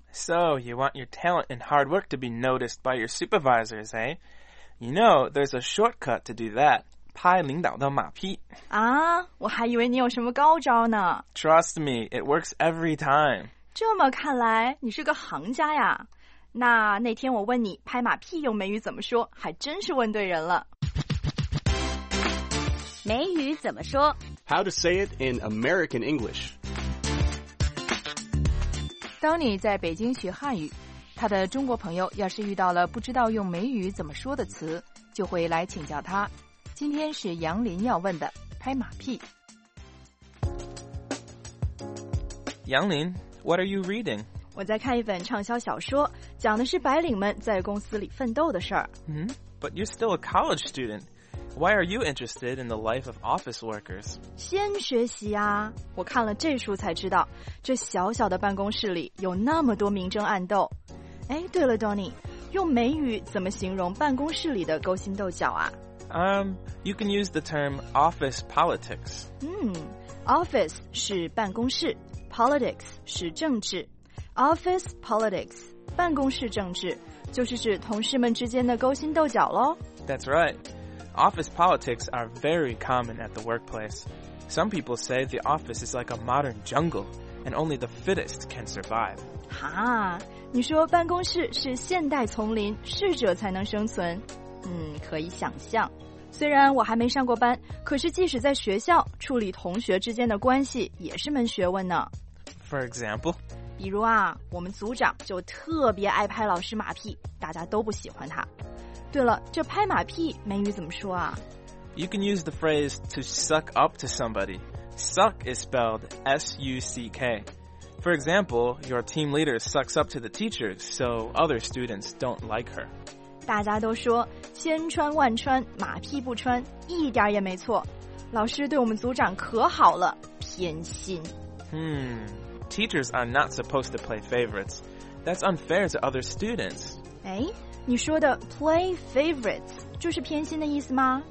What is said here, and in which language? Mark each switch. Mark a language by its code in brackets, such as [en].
[en] So you want your talent and hard work to be noticed by your supervisors, eh? You know, there's a shortcut to do that. [zh] 拍领导的马屁。啊，我还以为你有什么高招呢。 [en] Trust me, it works every time. [zh] 这么看来，你是个行家呀。那天我问你拍马屁用美语怎么说，还真是问对人了。美语怎么说？ [en] How to say it in American English. [zh] 当你在北京学汉语，他的中国朋友要是遇到了不知道用美语怎么说的词，就会来请教他。今天是杨林要问的，拍马屁。 [en] 杨林 ，What are you reading？ [zh] 我在看一本畅销小说，讲的是白领们在公司里奋斗的事儿。 [en] But you're still a college student. Why are you interested in the life of office workers？ [zh] 先学习啊！我看了这书才知道，这小小的办公室里有那么多明争暗斗。哎，对了 ，Donny， 用美语怎么形容办公室里的勾心斗角啊 [en] ？You can use the term office politics. [zh] Office 是办公室 ，politics 是政治。 Office politics 办公室政治就是指同事们之间的勾心斗角喽。 [en] That's right. Office politics are very common at the workplace. Some people say the office is like a modern jungle, and only the fittest can survive. [zh] 哈，你说办公室是现代丛林，适者才能生存。可以想象。虽然我还没上过班，可是即使在学校，处理同学之间的关系也是门学问呢。 [en] For example? [zh] 比如啊，我们组长就特别爱拍老师马屁，大家都不喜欢他。对了，这拍马屁美语怎么说啊？ [en] You can use the phrase to suck up to somebody. Suck is spelled S-U-C-K. For example, your team leader sucks up to the teacher, so other students don't like her. [zh] 大家都说千穿万穿，马屁不穿，一点也没错。老师对我们组长可好了，偏心。 [en] Teachers are not supposed to play favorites. That's unfair to other students. [zh] 哎，你说的 play favorites 就是偏心的意思吗？